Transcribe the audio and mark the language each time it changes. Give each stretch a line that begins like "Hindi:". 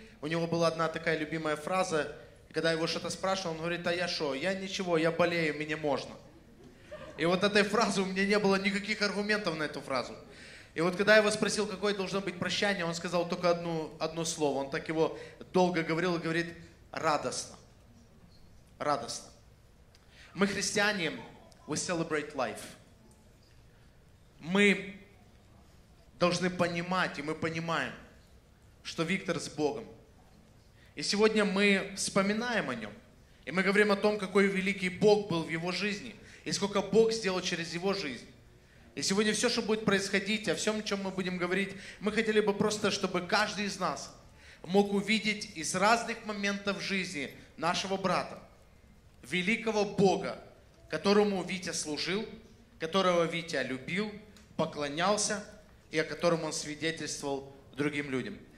Russian: У него была одна такая любимая фраза, когда его что-то спрашивал, он говорит: а я что, я ничего, я болею, мне можно. И вот этой фразы у меня не было никаких аргументов на эту фразу. И вот когда я его спросил, какое должно быть прощание, он сказал только одно слово. Он так его долго говорил и говорит: радостно. Радостно. Мы христиане,
English: we celebrate life.
Russian: Мы должны понимать, и мы понимаем, что Виктор с Богом. И сегодня мы вспоминаем о нем. И мы говорим о том, какой великий Бог был в его жизни. И сколько Бог сделал через его жизнь. И сегодня все, что будет происходить, о всем, о чем мы будем говорить, мы хотели бы просто, чтобы каждый из нас мог увидеть из разных моментов жизни нашего брата, великого Бога, которому Витя служил, которого Витя любил, поклонялся и о котором он свидетельствовал другим людям.